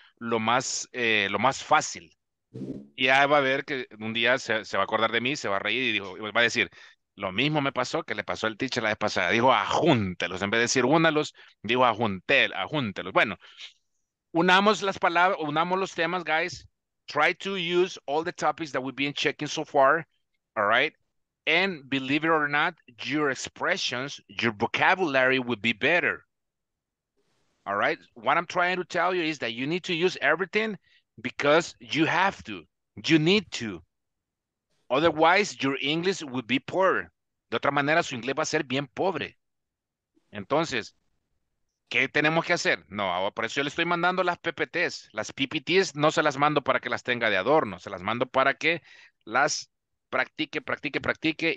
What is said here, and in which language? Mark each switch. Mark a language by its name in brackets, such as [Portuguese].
[Spanish] lo más fácil. Y ya va a ver que un día se va a acordar de mí, se va a reír y dijo, y va a decir, lo mismo me pasó que le pasó al teacher la vez pasada. Dijo, ajúntelos. En vez de decir únalos, dijo, ajúntelos. Bueno, unamos las palabras, unamos los temas, guys. [English] Try to use all the topics that we've been checking so far, all right? And believe it or not, your expressions, your vocabulary will be better, all right? What I'm trying to tell you is that you need to use everything because you have to, you need to. Otherwise, your English will be poor. [Spanish] De otra manera, su inglés va a ser bien pobre. Entonces, ¿qué tenemos que hacer? No, por eso yo le estoy mandando las PPTs. Las PPTs no se las mando para que las tenga de adorno. Se las mando para que las practique, practique, practique.